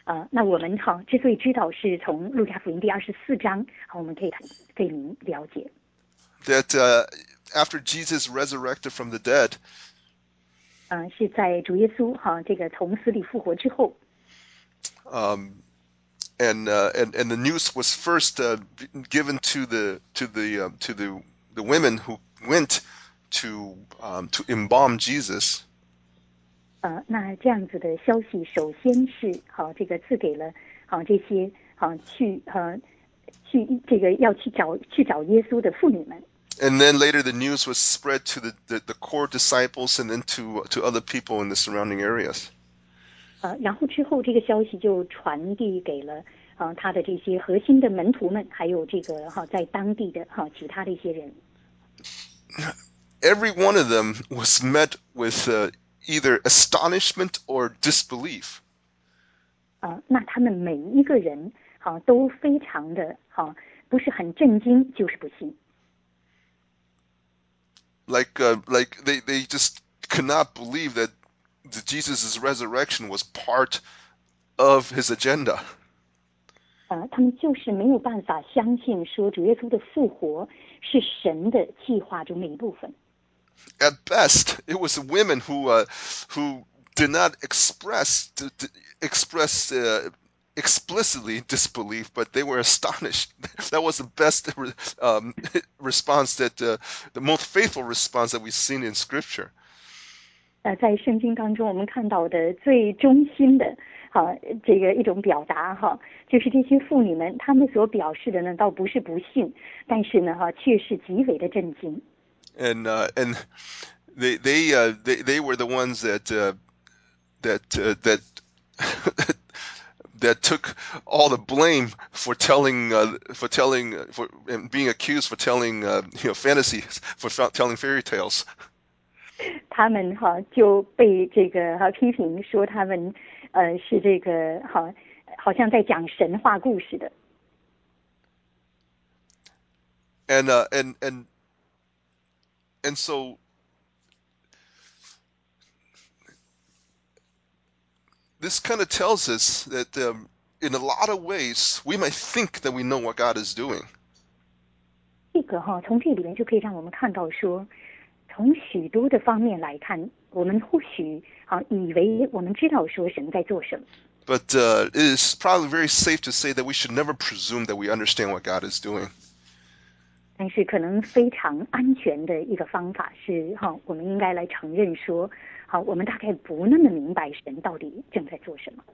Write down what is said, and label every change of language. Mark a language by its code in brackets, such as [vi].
[zh] 那我们之所以知道是从路加福音第24章，我们可以您了解。 [en] That after Jesus resurrected from the dead. [zh] 是在主耶稣这个从死里复活之后。 [en] And the news was first given to the women who went to embalm Jesus. [zh] 那这样子的消息首先是这个赐给了这些去这个要去找耶稣的妇女们。 [en] And then later the news was spread to the core disciples and then to other people in the surrounding areas. [zh] 然后之后这个消息就传递给了他的这些核心的门徒们，还有这个在当地的其他的一些人。 [en] Every one of them was met with either astonishment or disbelief. [zh] 那他们每一个人都非常的不是很震惊，就是不信。 [en] Like they just could not believe that Jesus' resurrection was part of his agenda. [zh] 他们就是没有办法相信说主耶稣的复活是神的计划中的一部分。 [en] At best, it was the women who did not explicitly disbelief, but they were astonished. That was the best response that the most faithful response that we've seen in Scripture. [zh] 在圣经当中，我们看到的最忠心的这个一种表达就是这些妇女们，她们所表示的呢，倒不是不信，但是呢却是极为的震惊。 [en] And they were the ones that took all the blame for telling fairy tales. [zh] 他们就被这个批评说他们是这个好像在讲神话故事的。 [en] And so this kind of tells us that in a lot of ways we might think that we know what God is doing. [zh] 这个从这里面就可以让我们看到说，从许多的方面来看，我们或许以为我们知道说神在做什么。 [en] But it is probably very safe to say that we should never presume that we understand what God is doing. [zh] 但是可能非常安全的一个方法是我们应该来承认说我们大概不那么明白神到底正在做什么。